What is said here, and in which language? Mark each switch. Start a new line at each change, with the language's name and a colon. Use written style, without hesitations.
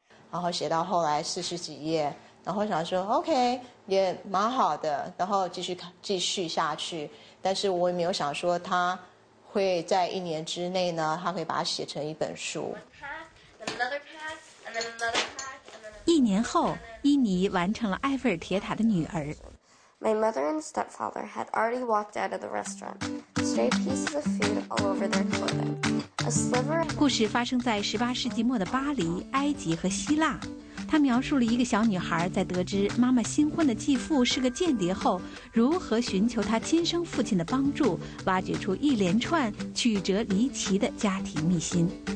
Chinese: 然后写到后来40几页，然后想说 OK 也蛮好的，然后继续下去。但是我也没有想说他会在一年之内呢，他会把它写成一本书。一年后，伊妮完成了埃菲尔铁塔的女儿。
English: My mother and stepfather had already walked out of the restaurant. Stray pieces of food all over their clothing. A sliver.
Chinese: 故事发生在18世纪末的巴黎、埃及和希腊。它描述了一个小女孩在得知妈妈新婚的继父是个间谍后，如何寻求她亲生父亲的帮助，挖掘出一连串曲折离奇的家庭秘辛。